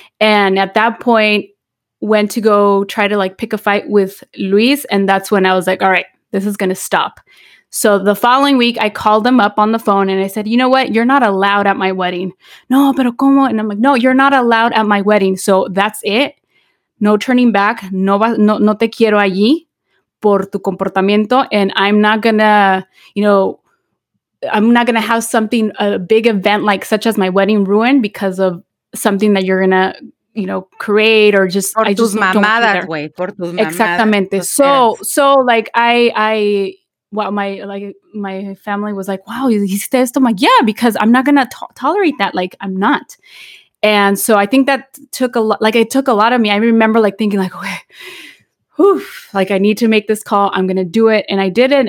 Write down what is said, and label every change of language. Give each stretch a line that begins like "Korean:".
English: And at that point, went to go try to, like, pick a fight with Luis. And that's when I was like, all right, this is going to stop. So the following week, I called him up on the phone and I said, you know what? You're not allowed at my wedding.
Spanish: No, pero como?
English: And I'm like, no, you're not allowed at my wedding. So that's it. No turning back.
Spanish: No te quiero allí por tu comportamiento.
English: And I'm not going to, you know, I'm not going to have something, a big event like such as my wedding ruined because of something that you're going to, you know, create, or just,
Spanish: por tus mamadas, wey, por tus mamadas. Exactamente.
English: So like my family was like, wow, he says, I'm like, yeah, because I'm not going to tolerate that. Like, I'm not. And so I think that took a lot, like, it took a lot of me. I remember, like, thinking, like, okay, whew, like, I need to make this call. I'm going to do it. And I did it.